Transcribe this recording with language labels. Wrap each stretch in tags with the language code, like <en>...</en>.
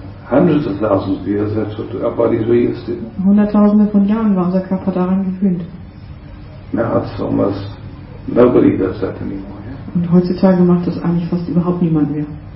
<en>Hundreds of thousands of years, that's what our bodies were used to.</en> <de>Hunderttausende von Jahren war unser Körper daran gewöhnt.</de> <en>Now it's almost nobody does that anymore, yeah?</en> <de>Und heutzutage macht das eigentlich fast überhaupt niemand mehr.</de>